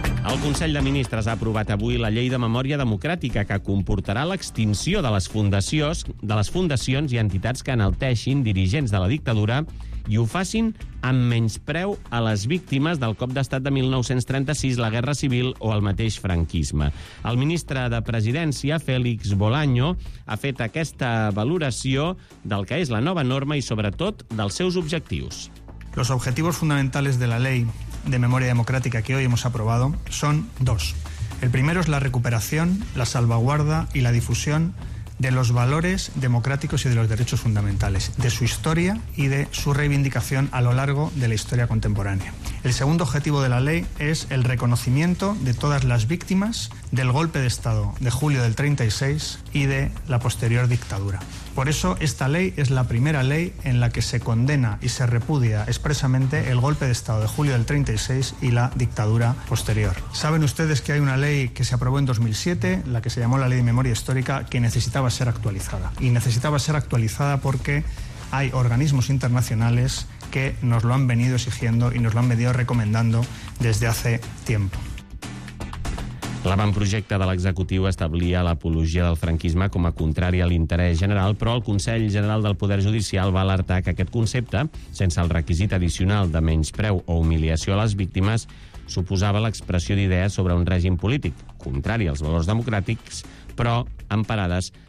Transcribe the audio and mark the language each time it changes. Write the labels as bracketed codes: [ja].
[ca] El Consell de Ministres ha aprovat avui la Llei de Memòria Democràtica, que comportarà l'extinció de les fundacions i entitats que enalteixin dirigents de la dictadura i ho facin amb menyspreu a les víctimes del cop d'estat de 1936, la Guerra Civil o el mateix franquisme. El ministre de Presidència, Félix Bolaño, ha fet aquesta valoració del que és la nova norma i, sobretot, dels seus objectius. [es] Los objetivos fundamentales de la ley de memoria democrática que hoy hemos aprobado son dos. El primero es la recuperación, la salvaguarda y la difusión de los valores democráticos y de los derechos fundamentales, de su historia y de su reivindicación a lo largo de la historia contemporánea. El segundo objetivo de la ley es el reconocimiento de todas las víctimas del golpe de Estado de julio del 36 y de la posterior dictadura. Por eso, esta ley es la primera ley en la que se condena y se repudia expresamente el golpe de Estado de julio del 36 y la dictadura posterior. Saben ustedes que hay una ley que se aprobó en 2007, la que se llamó la Ley de Memoria Histórica, que necesitaba ser actualizada. Y necesitaba ser actualizada porque hay organismos internacionales que nos lo han venido exigiendo y nos lo han venido recomendando desde hace tiempo. [ca] L'avantprojecte de l'executiu establia l'apologia del franquisme com a contrari a l'interès general, però el Consell General del Poder Judicial va alertar que aquest concepte, sense el requisit addicional de menyspreu o humiliació a les víctimes, suposava l'expressió d'idees sobre un règim polític, contrari als valors democràtics, però amparades